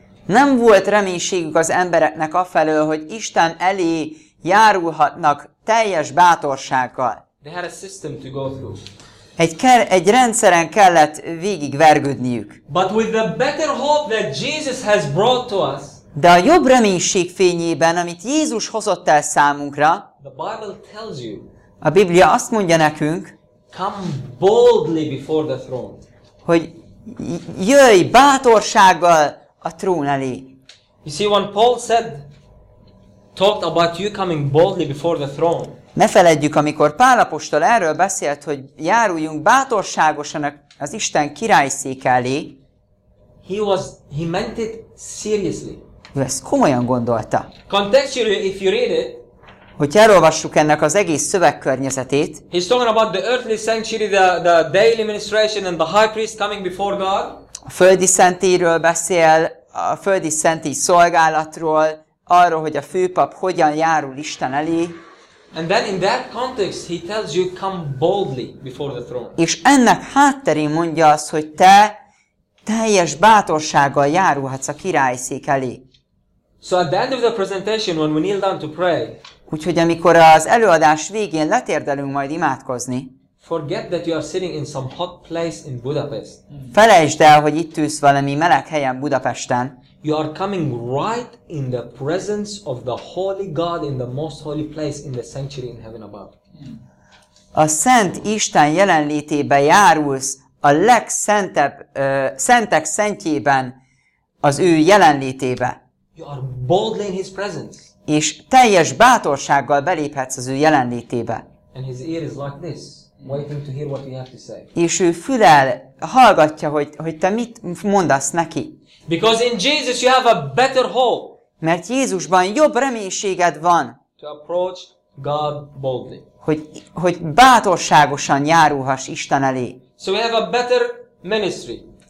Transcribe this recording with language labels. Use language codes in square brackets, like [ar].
[hu] Nem volt reménységük az embereknek afelől, hogy Isten elé járulhatnak teljes bátorsággal. [en] They had a system to go through. [hu] Egy rendszeren kellett végigvergődniük. [en] But with the better hope that Jesus has brought to us, [hu] de a jobb reménység fényében, amit Jézus hozott el számunkra, [en] the Bible tells you, [hu] a Biblia azt mondja nekünk, [en] come boldly before the throne. [hu] Hogy jöjj bátorsággal a trón elé. [en] You see, when Paul said, talked about you coming boldly before the throne, [hu] ne feledjük, amikor Pál apostol erről beszélt, hogy járuljunk bátorságosan az Isten királyszéke elé, [en] he meant it seriously. [hu] Ő ezt komolyan gondolta. [en] Contextually, if you read it, [hu] Hogyha elolvassuk ennek az egész szövegkörnyezetét, [en] he's talking about the earthly sanctuary, the daily ministration and the high priest coming before God. [hu] A földi szentélyről beszél, a földi szentély szolgálatról, arról, hogy a főpap hogyan járul Isten elé. [en] And then in that context he tells you come boldly before the throne. [hu] És ennek hátterén mondja azt, hogy te teljes bátorsággal járulhatsz a király szék elé. [en] So at the end of the presentation when we kneel down to pray. [hu] Úgyhogy amikor az előadás végén letérdelünk majd imádkozni. [en] Forget that you are sitting in some hot place in Budapest. [hu] Felejtsd el, hogy itt ülsz valami meleg helyen Budapesten. [en] You are coming right in the presence of the holy God in the most holy place in the sanctuary in heaven above. [hu] A Szent Isten jelenlétébe járulsz a legszentebb szentek szentjében, az ő jelenlétébe. [en] You are boldly in his presence. [hu] És teljes bátorsággal beléphetsz az ő jelenlétébe. [en] And his ear is like this, waiting to hear what you have to say. [hu] És ő fülel, hallgatja, hogy te mit mondasz neki. [en] Because in Jesus you have a better hope. [hu] Mert Jézusban jobb reménységed van. [en] To approach God boldly. [hu] Hogy bátorságosan járulhass Isten elé. [en] So we have a better ministry.